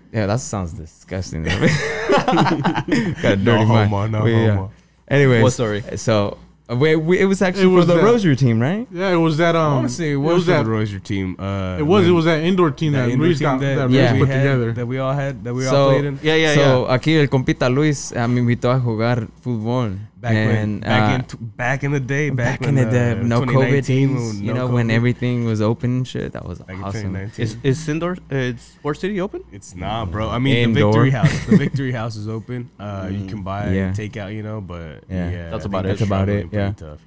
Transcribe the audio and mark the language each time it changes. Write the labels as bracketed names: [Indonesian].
[English] Yeah, that sounds disgusting. Got a dirty mind. Anyways. What story? So... it was actually for the Rosier team, right? Yeah, it was that. Honestly, what was that Rosier team? It was that indoor team that Luis got put together that we all had that we all played in. [Spanish] So aquí el compita Luis me invitó a jugar fútbol. [English] Back in the day, no COVID teams, when everything was open and shit, that was back awesome. Is Sindor, it's Sports City open? It's not, bro. I mean, the Victory House is open. You can buy and take out, That's about it.